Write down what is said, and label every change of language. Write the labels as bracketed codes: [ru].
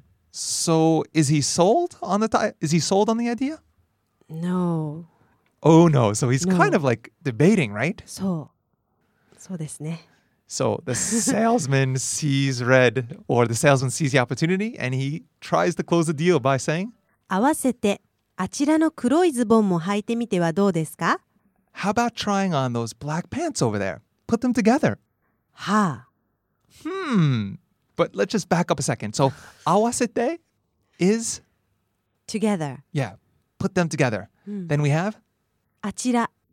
[en] So, is he sold on the idea? No. Oh, no. So, he's kind of like debating, right? [ja] そう。そうですね。 [en] So, the salesman sees red, or the salesman sees the opportunity, and he tries to close the deal by saying, [ja] 合わせて。あちらの黒いズボンも履いてみてはどうですか? [en] How about trying on those black pants over there? Put them together. はあ。 But let's just back up a second. So, 合わせて is? Together. Yeah, put them together. Then we have? [ja] あちら。